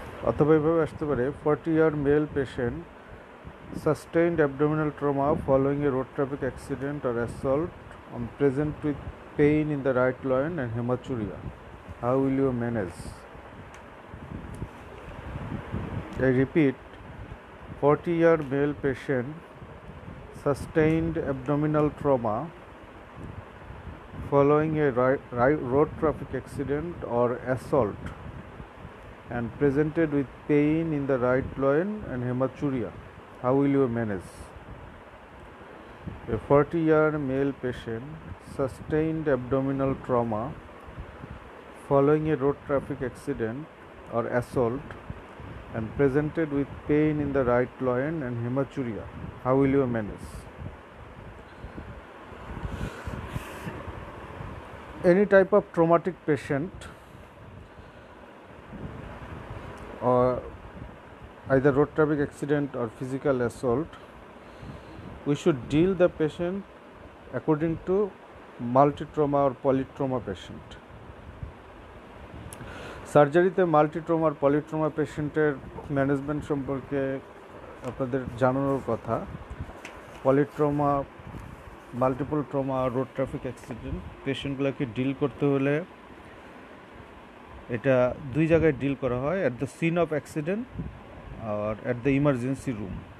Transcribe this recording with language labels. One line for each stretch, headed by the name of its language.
Bangla: অথবা এভাবে আসতে পারে,
English: 40-year male patient sustained abdominal trauma following a road traffic accident or assault, present with pain in the right loin and haematuria, how will you manage? I repeat, 40-year male patient sustained abdominal trauma following a road traffic accident or assault and presented with pain in the right loin and hematuria, how will you manage? A 40-year male patient sustained abdominal trauma following a road traffic accident or assault and presented with pain in the right loin and hematuria, how will you manage? Any type of traumatic patient or either road traffic accident or physical assault, we should deal the patient according to multi-trauma or polytrauma patient.
Bangla: সার্জারিতে multi trauma আর পলিট্রমা পেশেন্টের management সম্পর্কে আপনাদের জানানোর কথা। পলিট্রমা, multiple trauma, road traffic accident পেশেন্টগুলোকে deal করতে হলে এটা দুই জায়গায় ডিল করা হয়,
English: At the scene of accident আর at the emergency room.